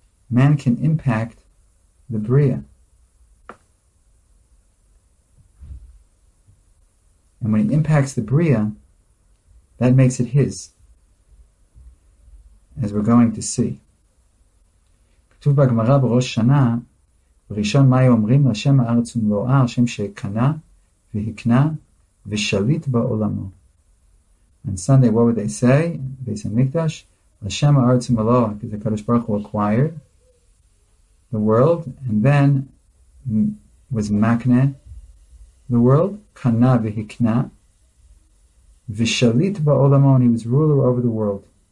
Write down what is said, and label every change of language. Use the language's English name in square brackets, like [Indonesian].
[English] Man can impact the Bria. And when he impacts the Bria, that makes it his, as we're going to see. [Hebrew] כתוב בגמרא בראש שנה, בראשון מאי אומרים, השם הארץ ומלואה, השם שקנה והקנה ושליט בעולמו. [English] On Sunday, what would they say? Beis HaMikdash, [Hebrew] השם הארץ ומלואה, [English] because the Kadosh Baruch Hu acquired the world, and then was makne the world, [Hebrew] kana vihikna, vishalit ba'olamo, [English] and he was ruler over the world.